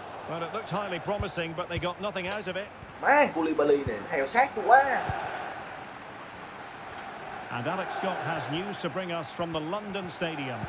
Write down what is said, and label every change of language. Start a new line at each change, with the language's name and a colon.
English: Well, it looked highly promising, but they got nothing out of it.
Vietnamese: Má, Koulibaly này nó theo sát quá.
English: And Alex Scott has news to bring us from the London Stadium.